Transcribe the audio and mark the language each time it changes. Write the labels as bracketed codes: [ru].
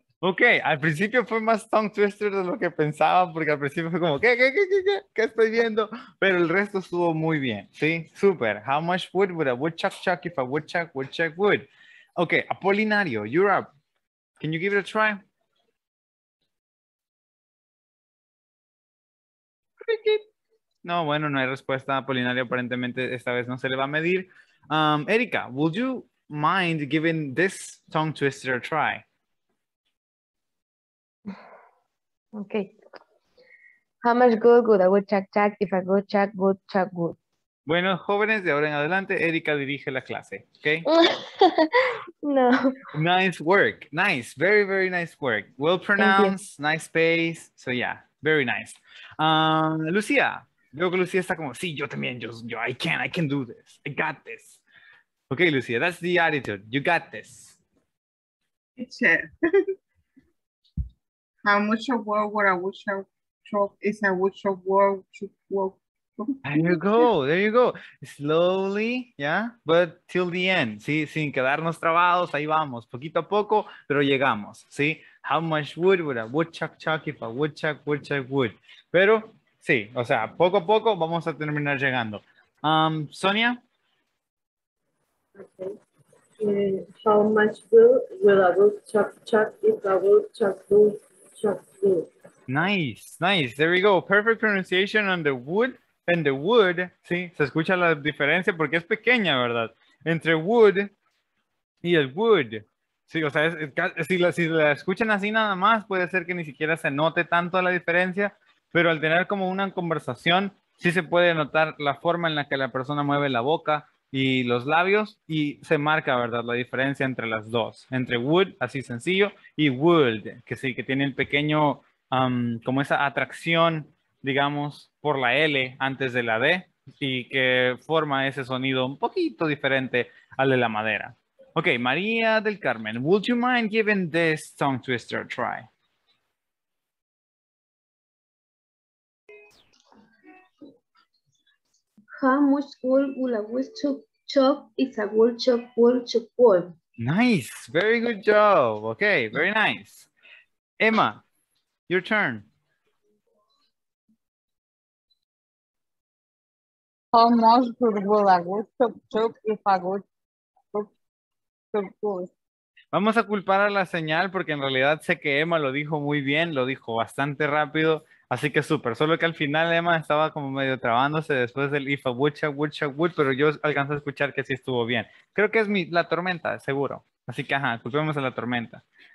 [es] Okay, al principio fue más tongue twister de lo que pensaba, porque al principio fue como, ¿qué estoy viendo? Pero el resto estuvo muy bien, ¿sí? Super. [en] How much wood would a woodchuck chuck if a woodchuck woodchuck wood? Okay, Apolinario, you're up. Can you give it a try? [es] No, bueno, no hay respuesta. Apolinario, aparentemente, esta vez no se le va a medir. [en] Erika, would you mind giving this tongue twister a try? Okay. How much good would a woodchuck chuck if a woodchuck would chuck wood? [es] Bueno, jóvenes, de ahora en adelante, Erika dirige la clase, okay? No. [en] Nice work. Nice. Very, very nice work. Well pronounced. Nice pace. So, yeah. Very nice. Lucía. [es] Veo que Lucía está como, sí, yo también. [en] Yo, I can do this. I got this. Okay, Lucía, that's the attitude. You got this. It's it. How much a world would a woodchuck is a woodchuck world to work? There you go, there you go. Slowly, yeah, but till the end. ¿Sí? [es] Sin quedarnos trabados, ahí vamos. Poquito a poco, pero llegamos. ¿Sí? [en] How much wood would a woodchuck chuck if a woodchuck woodchuck wood? [es] Pero, sí, o sea, poco a poco vamos a terminar llegando. Sonia? [en] Okay. How much wood would a woodchuck chuck if a woodchuck wood? Nice, nice. There we go. Perfect pronunciation on the wood and the wood. [es] Sí, se escucha la diferencia porque es pequeña, ¿verdad? Entre wood y el wood. Sí, o sea, si la escuchan así nada más, puede ser que ni siquiera se note tanto la diferencia, pero al tener como una conversación, sí se puede notar la forma en la que la persona mueve la boca y los labios, y se marca, ¿verdad?, la diferencia entre las dos, entre would, así sencillo, y would, que sí, que tiene el pequeño, como esa atracción, digamos, por la L antes de la D, y que forma ese sonido un poquito diferente al de la madera. [en] Okay, María del Carmen, would you mind giving this tongue twister a try? How much wool would a woodchuck chop if a woodchuck would chop wool? Nice, very good job. Okay, very nice. Emma, your turn. How much wool would a woodchuck chop if a woodchuck chop wool? [es] Vamos a culpar a la señal porque en realidad sé que Emma lo dijo muy bien, lo dijo bastante rápido. Así que súper, solo que al final Emma estaba como medio trabándose después del [en] if a woodchuck would chuck wood, [es] pero yo alcanzo a escuchar que sí estuvo bien. Creo que es la tormenta, seguro. Así que ajá, culpemos a la tormenta.